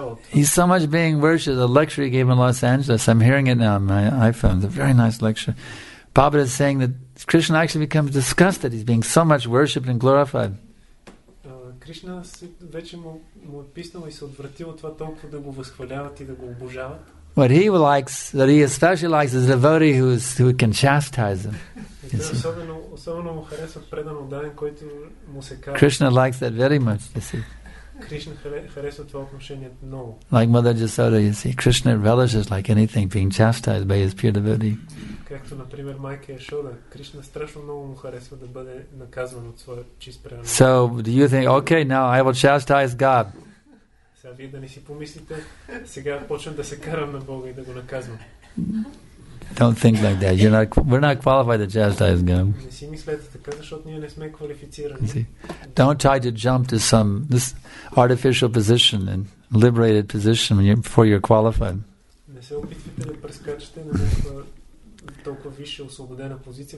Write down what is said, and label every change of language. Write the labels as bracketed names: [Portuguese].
[English] He's so much being worshipped. A lecture he gave in Los Angeles. I'm hearing it now on my iPhone. It's a very nice lecture. Prabhupada is saying that Krishna actually becomes disgusted. He's being so much worshipped and glorified. [Bulgarian] Krishna вече му е писнал и се отвратил от това толкова да го възхваляват и да го обожават. [English] What he likes, that he especially likes, is a devotee who can chastise him. [Bulgarian] Особено му харесва предан отдаден, който му се казва. [English] Krishna likes that very much, you see. [Bulgarian] Krishna харесва това отношение много. [English] Like Mother Jasoda, you see, Krishna relishes like anything being chastised by his pure devotee. [Bulgarian] Както, например, майка Яшода, Кришна страшно много му харесва да бъде наказван от своя чист преданост. [English] So, do you think, okay, now I will chastise God? [Bulgarian] Сега вие да не си помислите, сега почвам да се карам на Бога и да го наказвам. [English] Don't think like that. We're not qualified to chastise God. [Bulgarian] Не си мислете така, защото ние не сме квалифицирани. [English] Don't try to jump to some this artificial position and liberated position before you're qualified. [Bulgarian] Не се опитвайте да прескачате на някаква толкова висша освободена позиция.